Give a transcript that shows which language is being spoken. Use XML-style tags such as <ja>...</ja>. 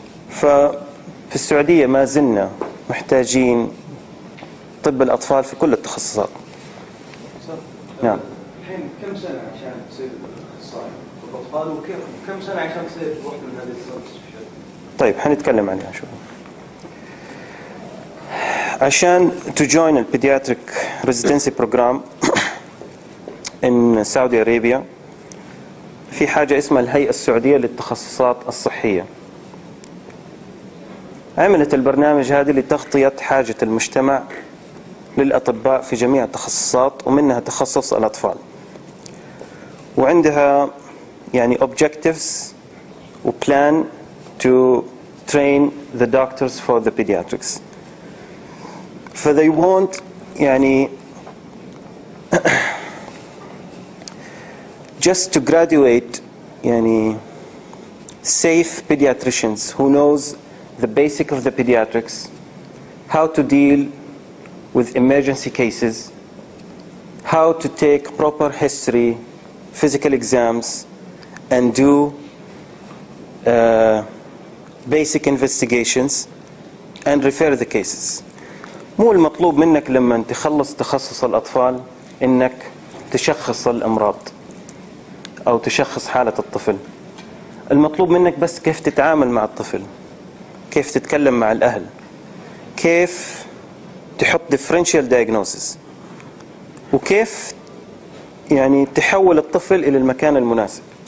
<ar>ففي السعودية ما زلنا محتاجين طب الأطفال في كل التخصصات. نعم. الحين كم سنة عشان تصير أخصائي الأطفال، وكم سنة عشان تصير واحدة من هذه؟ طيب حنتكلم عنها شوي.</ar> <en>عشان to join the pediatric residency program in Saudi Arabia</en> <ar>في حاجة اسمها الهيئة السعودية للتخصصات الصحية، عملت البرنامج هذه لتغطية حاجة المجتمع للأطباء في جميع التخصصات ومنها تخصص الأطفال. وعندها يعني</ar> <en>objectives وplan to train the doctors for the pediatrics. فthey want يعني just to graduate يعني safe pediatricians who knows the basic of the pediatrics, how to deal with emergency cases, how to take proper history, physical exams, and do basic investigations and refer the cases.</en> <ar>مو المطلوب منك لما تخلص تخصص الأطفال إنك تشخص الأمراض أو تشخص حالة الطفل. المطلوب منك بس كيف تتعامل مع الطفل، كيف تتكلم مع الأهل، كيف تحط differential diagnosis، وكيف يعني تحول الطفل إلى المكان المناسب.</ar>